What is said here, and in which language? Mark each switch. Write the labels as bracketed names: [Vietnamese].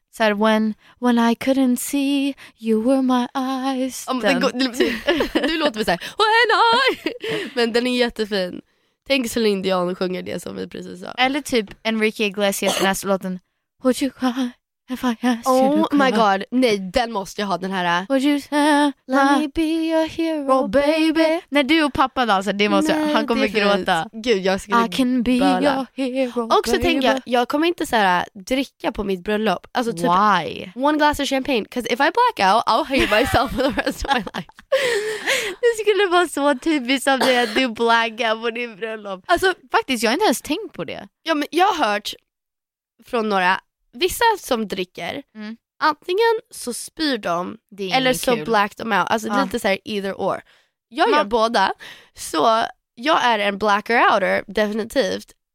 [Swedish] Såhär, [English] when I couldn't see, you were my eyes. [Swedish] Du låter mig såhär [English] when I. [Swedish] Men den är jättefin. Tänk Celine Dion sjunger det som vi precis sa. Eller typ Enrique Iglesias nästa låten. [English] Would you cry if I asked oh you to cry? Oh my god. [Swedish] Nej, den måste jag ha, den här. [English] Would you say, let me be your hero, baby. [Swedish] När du och pappa dansar, det måste jag. Han kommer gråta. Gud, jag skulle [English] I can be [Swedish] börla. [English] Your hero, [Swedish] och så tänker jag kommer inte så här dricka på mitt bröllop. Alltså typ, [English] why? One glass of champagne. Because if I black out, I'll hate myself for the rest of my life. [Swedish] Det skulle vara så typiskt av dig att du [English] black out [Swedish] på din bröllop. Alltså, faktiskt, jag har inte ens tänkt på det. Ja, men jag har hört från några. Vissa som dricker, antingen så spyr de, eller så black de out. Alltså lite såhär [English] either or. [Swedish] Jag gör båda. Så jag är en blacker outer, definitivt.